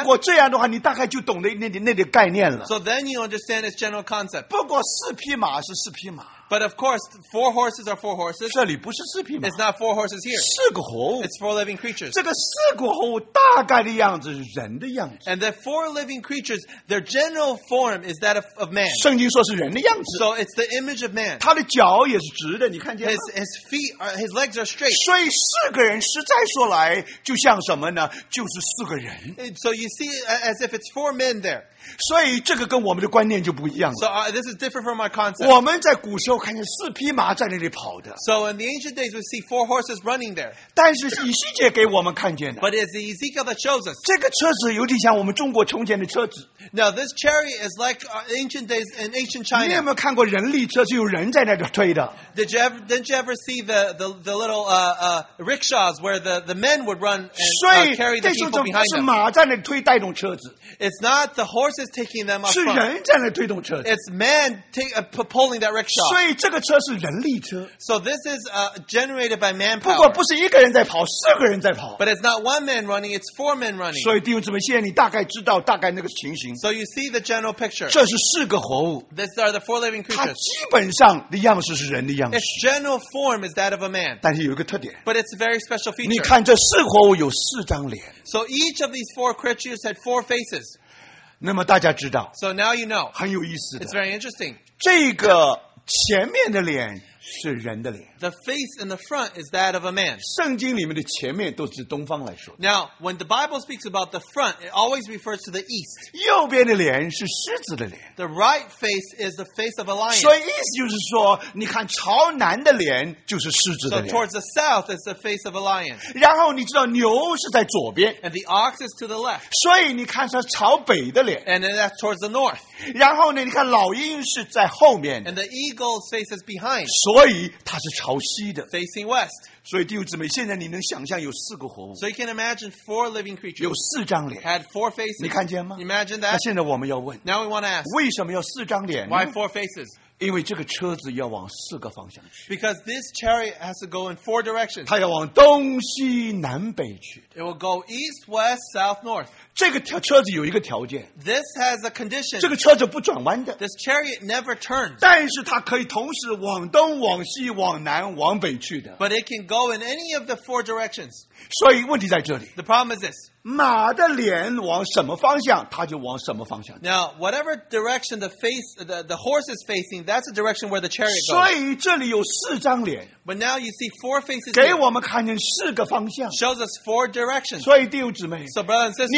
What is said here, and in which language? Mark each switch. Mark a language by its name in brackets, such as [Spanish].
[Chinese] 如果这样的话，你大概就懂得那点概念了。 [English] So then you understand its general concept. [Chinese] 不过四匹马是四匹马。 [English] But of course, four horses are four horses. [Chinese] 这里不是四匹马。 [English] It's not four horses here. [Chinese] 四个活物。 [English] It's four living creatures. [Chinese] 这个四个活物大概的样子是人的样子。 [English] And the four living creatures, their general form is that of man. [Chinese] 圣经说是人的样子。 [English] So it's the image of man. [Chinese] 他的脚也是直的，你看见吗 [English] ？His feet, his legs are straight. [Chinese] 所以四个人实在说来就像什么呢？就是四个人。 [English] So you see as if it's four men there. [Chinese] 所以这个跟我们的观念就不一样了。 [English] So this is different from our concept. [Chinese] 我们在古时候。候看见四匹马在那里跑的。 [English] So in the ancient days, we see four horses running there. [Chinese] 但是以西结给我们看见的。 [English] But it's the Ezekiel that shows us. [Chinese] 这个车子有点像我们中国从前的车子。 [English] Now this chariot is like ancient days in ancient China. [Chinese] 你有没有看过人力车是有人在那里推的？ [English] Didn't you ever see the little rickshaws where the men would run and carry the people behind them? 所以 [Chinese] 是马在那里推带动车子。 [English] It's not the horses taking them up. [Chinese] 是人在那推动车子。 [English] It's men pulling that rickshaw. [Chinese] 所以这个车是人力车。 [English] So this is generated by manpower. [Chinese] 不过不是一个人在跑，四个人在跑。 [English] But it's not one man running; it's four men running. [Chinese] 所以弟兄姊妹，现在你大概知道大概那个情形。 [English] So you see the general picture. [Chinese] 这是四个活物。 [English] These are the four living creatures. [Chinese] 它基本上的样式是人的样式。 [English] Its general form is that of a man. [Chinese] 但是有一个特点。 [English] But it's a very special feature. [Chinese] 你看这四活物有四张脸。 [English] So each of these four creatures had four faces. [Chinese] 那么大家知道。 [English] So now you know. [Chinese] 很有意思的。 [English] It's very interesting. [Chinese] 这个前面的脸是人的脸。 [English] The face in the front is that of a man. [Chinese] 圣经里面的前面都是东方来说的。 [English] Now, when the Bible speaks about the front, it always refers to the east. [Chinese] 右边的脸是狮子的脸。 [English] The right face is the face of a lion. [Chinese] 所以意思就是说，你看朝南的脸就是狮子的脸。 [English] So towards the south is the face of a lion. [Chinese] 然后你知道牛是在左边。 [English] And the ox is to the left. [Chinese] 所以你看是朝北的脸。 [English] And then that's towards the north. [Chinese] 然后呢，你看老鹰是在后面。 [English] And the eagle's face is behind. [Chinese] 所以它是朝西的。 [English] Facing west. [Chinese] 所以弟兄姊妹，现在你能想象有四个活物。 [English] So you can imagine four living creatures. [Chinese] 有四张脸。 [English] Had four faces. [Chinese] 你看见吗？ [English] Imagine that. [Chinese] 那现在我们要问。 [English] Now we want to ask. [Chinese] 为什么要四张脸呢？ [English] Why four faces? [Chinese] 因为这个车子要往四个方向去。 [English] Because this chariot has to go in four directions. [Chinese] 它要往东西南北去。 [English] It will go east, west, south, north. [Chinese] 这个车子有一个条件。 [English] This has a condition. [Chinese] 这个车子不转弯的。 [English] This chariot never turns. [Chinese] 但是它可以同时往东、往西、往南、往北去的。 [English] But it can go in any of the four directions. [Chinese] 所以问题在这里。 [English] The problem is this. [Chinese] 马的脸往什么方向，它就往什么方向。 [English] Now, whatever direction the horse is facing, that's the direction where the chariot goes. [Chinese] 所以这里有四张脸。 [English] But now you see four faces. [Chinese] 给我们看见四个方向。 [English] Shows us four directions. [Chinese] 所以弟兄姊妹。 [English] So brothers and sisters.